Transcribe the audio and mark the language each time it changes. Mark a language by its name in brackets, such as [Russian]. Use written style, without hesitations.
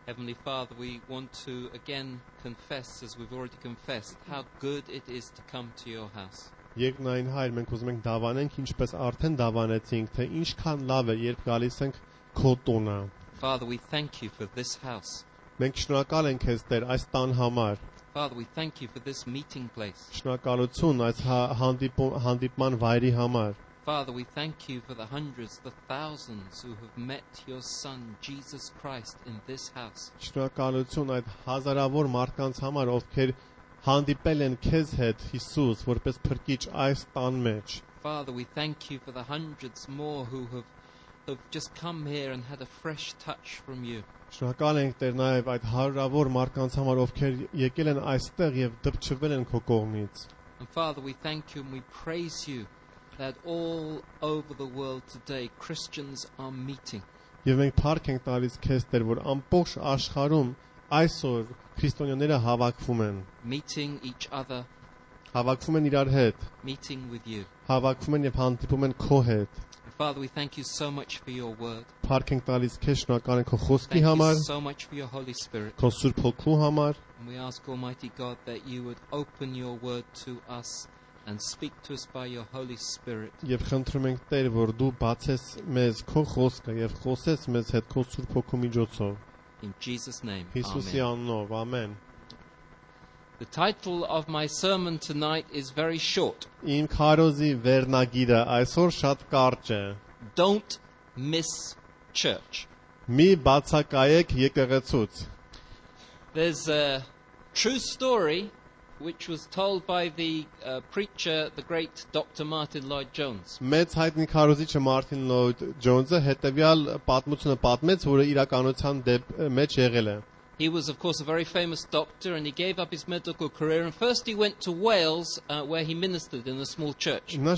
[English] Heavenly Father, we want to again confess, as we've already confessed, how good it is to come to your house. [Armenian] Երկնային հայր, մենք ուզում ենք դավանենք, ինչպես արդեն դավանեցինք, թե ինչքան լավ է, երբ գալիս ենք քո տունը. [English] Father, we thank you for this house. [Armenian] Մենք շնորհակալ ենք քեզ, Տեր, այս տան համար. [English] Father, we thank you for this meeting place. [Armenian] Շնորհակալություն այս հանդիպման վայրի համար. [English] Father, we thank you for the hundreds, the thousands who have met your Son, Jesus Christ, in this house. [Armenian] Շնորհակալություն այդ հազարավոր մարդկանց համար, ովքեր հանդիպել են քեզ հետ, Հիսուս, որպես Փրկիչ այս տան մեջ. [English] Father, we thank you for the hundreds more who have just come here and had a fresh touch from you. [Armenian] Շնորհակալ ենք Տեր նաև այդ հարյուրավոր մարդկանց համար, ովքեր եկել են այստեղ եւ դրճվել են քո կողմից. [English] And Father, we thank you and we praise you that all over the world today Christians are meeting. [Armenian] Եվ մենք փառք ենք տալիս քեզ Տեր, որ ամբողջ աշխարհում այսօր քրիստոնյաները հավաքվում են. [English] Meeting each other. [Armenian] Հավաքվում են իրար հետ. [English] Meeting with you. [Armenian] Հավաքվում են եւ հանդիպում են քո հետ. [English] Father, we thank you so much for your word. [Armenian] Փառքենք տալիս քեզ, շնորհակալ ենք քո խոսքի համար. [English] Thank you so much for your Holy Spirit. [Armenian] Քո Սուրբ Հոգու համար. [English] And we ask Almighty God that you would open your word to us and speak to us by your Holy Spirit. [Armenian] Եվ խնդրում ենք Տեր, որ դու բացես մեզ քո խոսքը եւ խոսես մեզ հետ քո Սուրբ Հոգու միջոցով. [English] In Jesus' name. [Armenian] Հիսուսի անունով, ամեն. [English] The title of my sermon tonight is very short. [Armenian] Իմ քարոզի վերնագիրը այսօր շատ կարճ է. [English] Don't miss church. [Armenian] Մի բացակայեք եկեղեցուց. [English] There's a true story which was told by the preacher, the great Dr. Martin Lloyd-Jones. [Armenian] Մեծ հայտնի քարոզիչը Մարտին Լոյդ-Ջոնզը հետևյալ պատմությունը պատմեց, որը իրականության մեջ եղել է. [English] He was, of course, a very famous doctor, and he gave up his medical career. And first, he went to Wales, where he ministered in a small church.